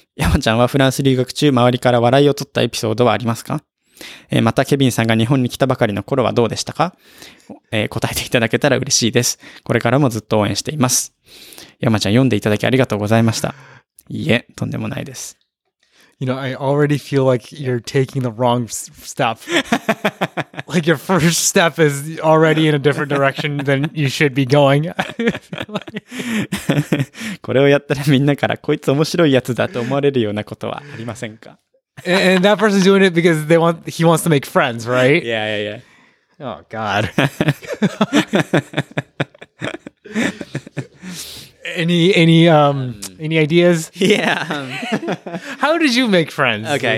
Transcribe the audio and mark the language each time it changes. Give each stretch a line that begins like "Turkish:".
Japanese: 山ちゃんはフランス留学中周りから笑いを取ったエピソードはありますか？またケビンさんが日本に来たばかりの頃はどうでしたか？答えていただけたら嬉しいです。これからもずっと応援しています。山ちゃん読んでいただきありがとうございました。いえ、とんでもないです。
English: You know, I already feel like you're taking the wrong step. Like your first step is already in a different direction than you should be going.
Japanese: これをやったらみんなからこいつ面白いやつだと思われるようなことはありませんか?
English: And that person's doing it because he wants to make friends, right? Yeah, yeah, yeah. Oh, God. Any ideas? Yeah. How did you make friends? Okay.